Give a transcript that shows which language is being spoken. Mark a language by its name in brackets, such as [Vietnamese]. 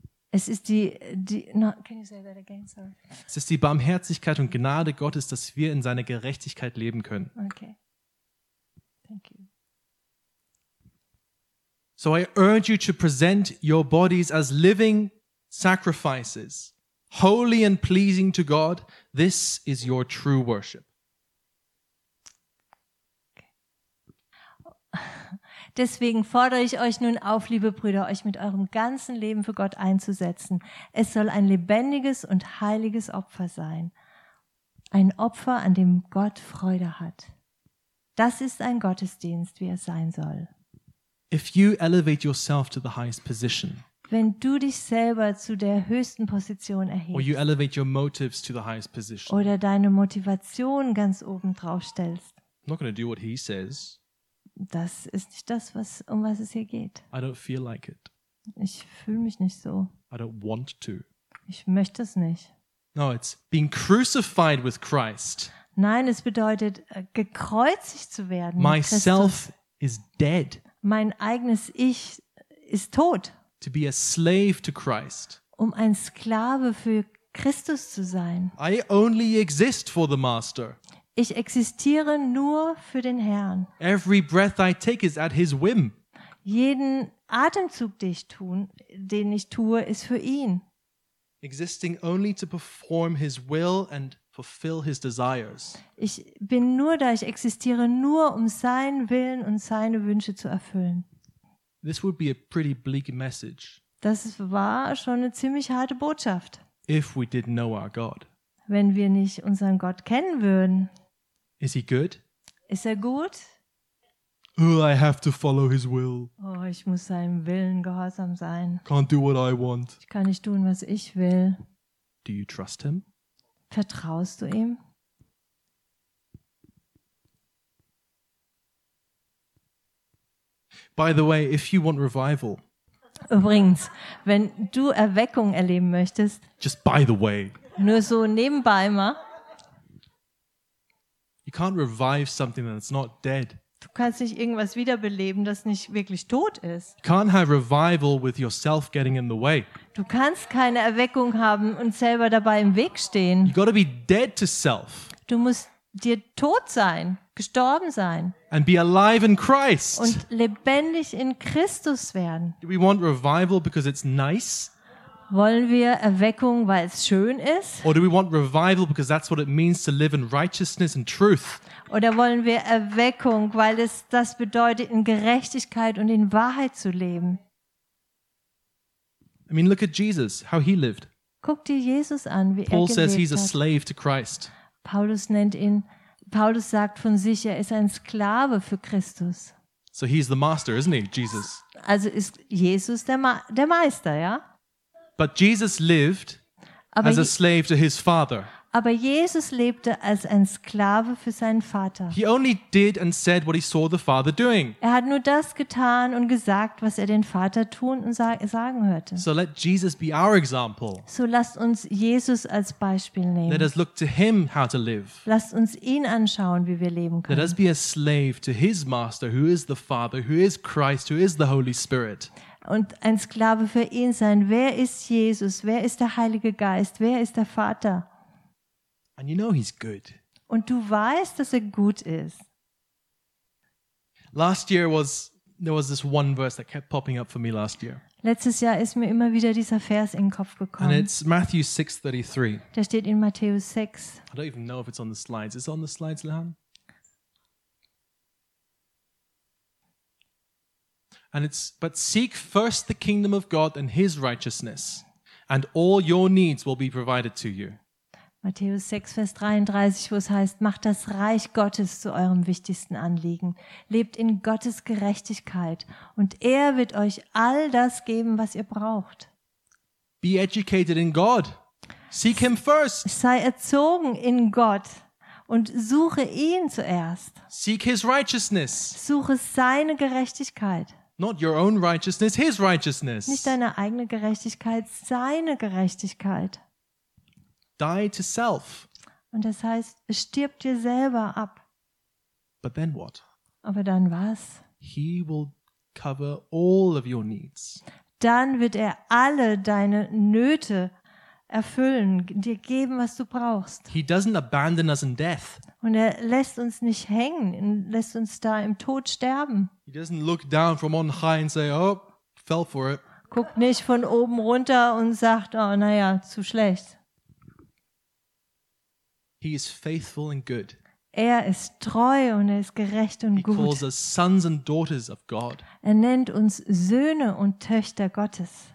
[German] Es ist [English] can you say that again? Sorry. [German] Es ist die Barmherzigkeit und Gnade Gottes, dass wir in seiner Gerechtigkeit leben können. [English] Okay. Thank you. So I urge you to present your bodies as living sacrifices. Holy and pleasing to God, this is your true worship. [German] Deswegen fordere ich euch nun auf, liebe Brüder, euch mit eurem ganzen Leben für Gott einzusetzen. Es soll ein lebendiges und heiliges Opfer sein. Ein Opfer, an dem Gott Freude hat. Das ist ein Gottesdienst, wie er sein soll. [English] If you elevate yourself to the highest position, [German] wenn du dich selber zu der höchsten Position erhebst, [English] or you elevate your motives to the highest position, [German] oder deine Motivation ganz oben drauf stellst, [English] I'm not going to do what he says. [German] Das ist nicht das, was es hier geht. [English] I don't feel like it. [German] Ich fühle mich nicht so. [English] I don't want to. [German] Ich möchte es nicht. [English] No, it's being crucified with Christ. [German] Nein, es bedeutet, gekreuzigt zu werden. [English] Myself is dead. [German] Mein eigenes Ich ist tot. [English] To be a slave to Christ. [German] Um ein Sklave für Christus zu sein. [English] I only exist for the Master. [German] Ich existiere nur für den Herrn. [English] Every breath I take is at his whim. [German] Jeden Atemzug, den ich tue, ist für ihn. [English] existing only to perform his will and fulfill his desires. [German] Ich bin nur da, ich existiere nur, um seinen Willen und seine Wünsche zu erfüllen. [English] This would be a pretty bleak message. [German] Das war schon eine ziemlich harte Botschaft. [English] If we didn't know our God. [German] Wenn wir nicht unseren Gott kennen würden. [English] Is he good? [German] Ist er gut? [English] Oh, I have to follow his will. [German] Oh, ich muss seinem Willen gehorsam sein. [English] Can't do what I want. [German] Ich kann nicht tun, was ich will. [English] Do you trust him? [German] Vertraust du ihm? [English] By the way, if you want revival. [German] Übrigens, wenn du Erweckung erleben möchtest. [English] Just by the way. [German] Nur so nebenbei mal. [English] You can't revive something that's not dead. [German] Du kannst nicht irgendwas wiederbeleben, das nicht wirklich tot ist. [English] You can't have revival with yourself getting in the way. [German] Du kannst keine Erweckung haben und selber dabei im Weg stehen. [English] You gotta be dead to self. [German] Du musst dir tot sein, gestorben sein. [English] And be alive in Christ. [German] Und lebendig in Christus werden. [English] Do we want revival because it's nice? [German] Wollen wir Erweckung, weil es schön ist? [English] Or do we want revival because that's what it means to live in righteousness and truth? [German] Oder wollen wir Erweckung, weil es das bedeutet, in Gerechtigkeit und in Wahrheit zu leben? [English] I mean, look at Jesus, how he lived. [German] Guck dir Jesus an, wie [English] Paul [German] er gelebt [English] says he's [German] hat. [English] A slave to Christ. [German] Paulus sagt von sich, er ist ein Sklave für Christus. [English] So he's the master, isn't he, Jesus? [German] Also ist Jesus der Meister, ja? [English] But Jesus lived as a slave to his father. [German] Aber Jesus lebte als ein Sklave für seinen Vater. [English] He only did and said what he saw the father doing. [German] Er hat nur das getan und gesagt, was er den Vater tun und sagen hörte. [English] So let Jesus be our example. [German] So lasst uns Jesus als Beispiel nehmen. [English] Let us look to him how to live. [German] Lasst uns ihn anschauen, wie wir leben können. [English] Let us be a slave to his master, who is the Father, who is Christ, who is the Holy Spirit. [German] Und ein Sklave für ihn sein. Wer ist Jesus? Wer ist der Heilige Geist? Wer ist der Vater? [English] And you know he's good. [German] Und du weißt, dass er gut ist. [English] Last year there was this one verse that kept popping up for me last year. [German] Letztes Jahr ist mir immer wieder dieser Vers in den Kopf gekommen. [English] And it's Matthew 6:33. [German] Der steht in Matthäus 6. [English] I don't even know if it's on the slides. Is it on the slides, Lehan? And it's, but seek first the kingdom of God and his righteousness, and all your needs will be provided to you. [German] Matthäus 6, Vers 33, wo es heißt, macht das Reich Gottes zu eurem wichtigsten Anliegen. Lebt in Gottes Gerechtigkeit und er wird euch all das geben, was ihr braucht. [English] Be educated in God. Seek him first. [German] Sei erzogen in Gott. Und suche ihn zuerst. [English] Seek his righteousness. [German] Suche seine Gerechtigkeit. [English] Not your own righteousness, his righteousness. [German] Nicht deine eigene Gerechtigkeit, seine Gerechtigkeit. [English] Die to self. [German] Und das heißt, stirb dir selber ab. [English] But then what? [German] Aber dann was? [English] He will cover all of your needs. [German] Dann wird er alle deine Nöte erfüllen, dir geben, was du brauchst. [English] He doesn't abandon us in death. [German] Und er lässt uns nicht hängen, lässt uns da im Tod sterben. [English] He doesn't look down from on high and say, oh, fell for it. [German] Guckt nicht von oben runter und sagt, oh, naja, zu schlecht. [English] He is faithful and good. [German] Er ist treu und er ist gerecht und [English] He [German] gut. [English] He calls us sons and daughters of God. [German] Er nennt uns Söhne und Töchter Gottes.